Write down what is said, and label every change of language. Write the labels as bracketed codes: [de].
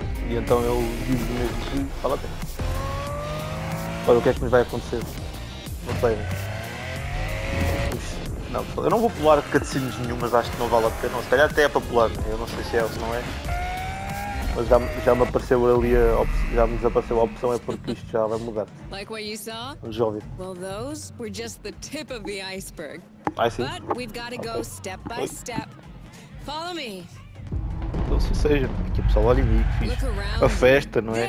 [pt] E então eu digo mesmo que fala a pena. Olha, o que é que me vai acontecer? Não sei, né? Não, eu não vou pular cutscenes nenhum, mas acho que não vale a pena. Se calhar até é para pular, né? Eu não sei se é ou se não é. Mas já me apareceu ali a opção, já me desapareceu a opção, é porque isto já vai mudar. [en] Like what you saw? [pt] Vamos ouvir. [en] Well, those were just the tip of the iceberg. [pt] Ah, sim. [en] But we've got to go step by step. Follow me. [pt] Então, se seja, aqui o pessoal olha em mim, que fiz a festa, não é?